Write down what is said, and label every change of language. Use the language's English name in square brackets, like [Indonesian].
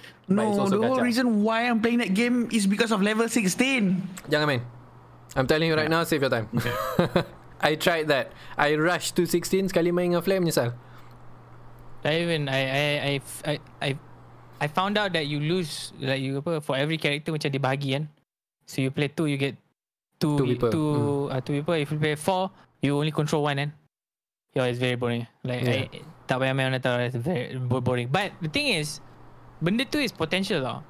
[English] No, the whole reason why I'm playing that game is because of level 16. [Malay] Jangan main. [English] I'm telling you right now, save your time. Okay. I tried that. I rushed to 16 [Malay] sekali main dengan [English] flame, [Malay] menyesal. [English] I found out that you lose, like you apa, for every character [Malay] macam dibahagi kan. [English] So you play 2, you get 2 people. If you play 4, you only control 1 and it's very boring. Like [Malay] tak payah main atau [English] it's very boring. But the thing is, benda tu is potential lah.